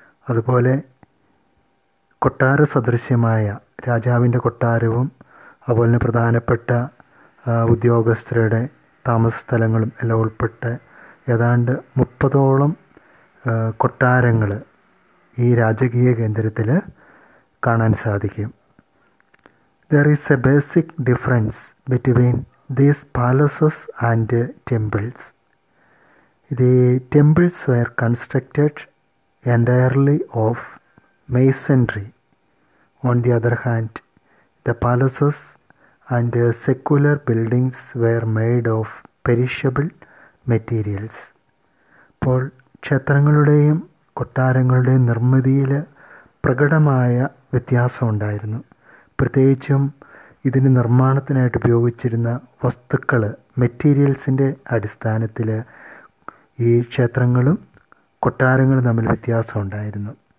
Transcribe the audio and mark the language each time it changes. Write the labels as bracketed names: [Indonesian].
[Malayalam] അതുപോലെ കൊട്ടാര സദൃശ്യമായ രാജാവിൻ്റെ കൊട്ടാരവും അതുപോലെ തന്നെ പ്രധാനപ്പെട്ട ഉദ്യോഗസ്ഥരുടെ താമസസ്ഥലങ്ങളും എല്ലാം ഉൾപ്പെട്ട് ഏതാണ്ട് 30 കൊട്ടാരങ്ങൾ ഈ രാജകീയ കേന്ദ്രത്തിൽ കാണാൻ സാധിക്കും. [English] There is a basic difference between these palaces and temples. The temples were constructed entirely of masonry. On the other hand, the palaces and secular buildings were made of perishable materials. [Malayalam] അപ്പോൾ ക്ഷേത്രങ്ങളുടെയും കൊട്ടാരങ്ങളുടെയും നിർമ്മിതിയിൽ പ്രകടമായ വ്യത്യാസമുണ്ടായിരുന്നു. പ്രത്യേകിച്ചും ഇതിൻ്റെ നിർമ്മാണത്തിനായിട്ട് ഉപയോഗിച്ചിരുന്ന വസ്തുക്കൾ, മെറ്റീരിയൽസിൻ്റെ അടിസ്ഥാനത്തിൽ ഈ ക്ഷേത്രങ്ങളും കൊട്ടാരങ്ങളും തമ്മിൽ വ്യത്യാസമുണ്ടായിരുന്നു.